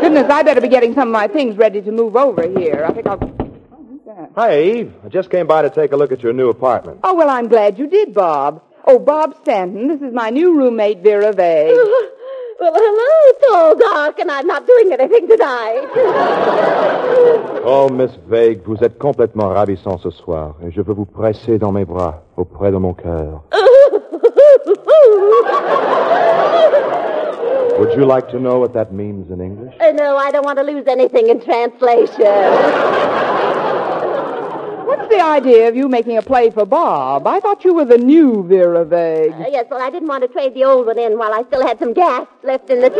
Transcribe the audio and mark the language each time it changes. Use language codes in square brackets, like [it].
[en] Goodness, I better be getting some of my things ready to move over here. I think I'll... Oh, who's that? Hi, Eve. I just came by to take a look at your new apartment. Oh, well, I'm glad you did, Bob. Oh, Bob Stanton, this is my new roommate, Vera Vague. Oh, well, hello, it's all dark, and I'm not doing anything tonight. [fr] Oh, Miss Vague, vous êtes complètement ravissant ce soir, et je veux vous presser dans mes bras, auprès de mon cœur. [en] Would you like to know what that means in English? No, I don't want to lose anything in translation. The idea of you making a play for Bob. I thought you were the new Vera Vague. Yes, well, I didn't want to trade the old one in while I still had some gas left in the tank.